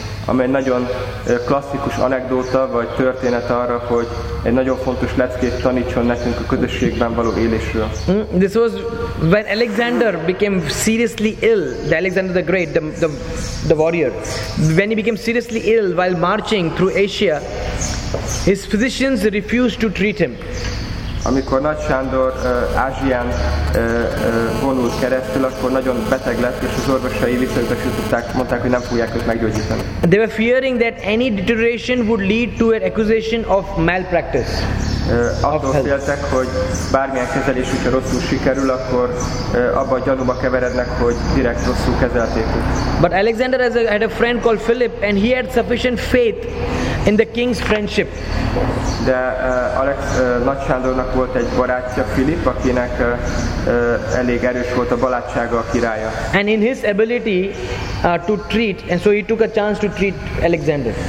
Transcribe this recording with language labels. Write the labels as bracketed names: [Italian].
[Hungarian] Ami egy nagyon klasszikus anekdóta vagy történet arra, hogy egy nagyon fontos leckét tanítson nekünk a közösségben való élésről. [English] This was when Alexander became seriously ill, the Alexander the Great, the warrior. When he became seriously ill while marching through Asia, his physicians refused to treat him. [Hungarian] Amikor Nagy Sándor Ázsián vonult keresztül, akkor nagyon beteg lett, és az orvosai visszautasították, mondták, hogy nem fogják őt meggyógyítani. [English] They were fearing that any deterioration would lead to an accusation of malpractice. [Hungarian] Attól féltek, hogy bármilyen kezelés, hogyha rosszul sikerül, akkor abban a gyanúba keverednek, hogy direkt rosszul kezelték őt. [English] But Alexander had a friend called Philip, and he had sufficient faith in the king's friendship. [Hungarian] De Alex Nagy Sándornak volt egy barátja, Philip, akinek elég erős volt a barátsága a királya. [English] And in his ability to treat, and so he took a chance to treat Alexander.